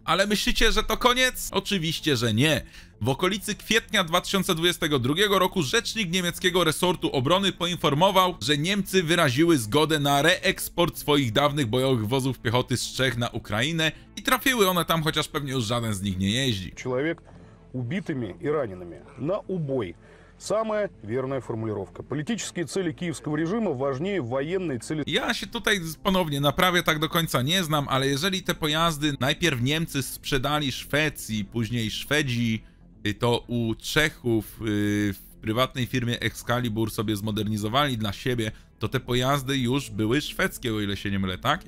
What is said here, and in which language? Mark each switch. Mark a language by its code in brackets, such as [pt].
[pl] Ale myślicie, że to koniec? Oczywiście, że nie. W okolicy kwietnia 2022 roku rzecznik niemieckiego resortu obrony poinformował, że Niemcy wyraziły zgodę na reeksport swoich dawnych bojowych wozów piechoty z Czech na Ukrainę i trafiły one tam, chociaż pewnie już żaden z nich nie jeździ. [ru] Człowiek убитыми и ранеными на убой. Самая верная формулировка. Политические цели киевского режима важнее военной цели. [pl] Ja się tutaj ponownie naprawię tak do końca nie znam, ale jeżeli te pojazdy najpierw Niemcy sprzedali Szwecji, później Szwedzi, to u Czechów w prywatnej firmie Excalibur sobie zmodernizowali dla siebie, to te pojazdy już były szwedzkie, o ile się nie mylę, tak?